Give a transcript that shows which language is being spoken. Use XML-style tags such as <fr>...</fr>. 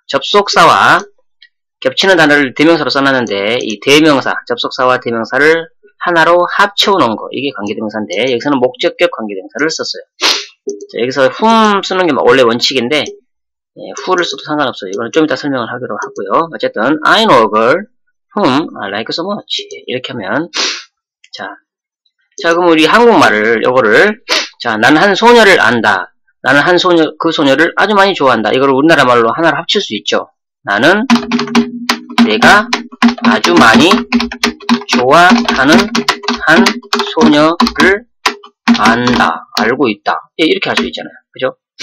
<ko>접속사와 겹치는 단어를 대명사로 써놨는데 이 대명사, 접속사와 대명사를 하나로 합쳐놓은 거 이게 관계대명사인데 여기서는 목적격 관계대명사를 썼어요. 자, 여기서 whom 쓰는 게 원래 원칙인데 예, who를 써도 상관없어요. 이건 좀 이따 설명을 하기로 하고요. 어쨌든</ko> <en>I know a girl whom I like so much.</en> <ko>이렇게 하면 자 그럼 우리 한국말을 요거를 자 나는 한 소녀를 안다. 나는 한 소녀 그 소녀를 아주 많이 좋아한다. 이걸 우리나라 말로 하나로 합칠 수 있죠. 나는 내가 아주 많이 좋아하는 한 소녀를 안다. 알고 있다. 예, 이렇게 할 수 있잖아요. 그죠?</ko>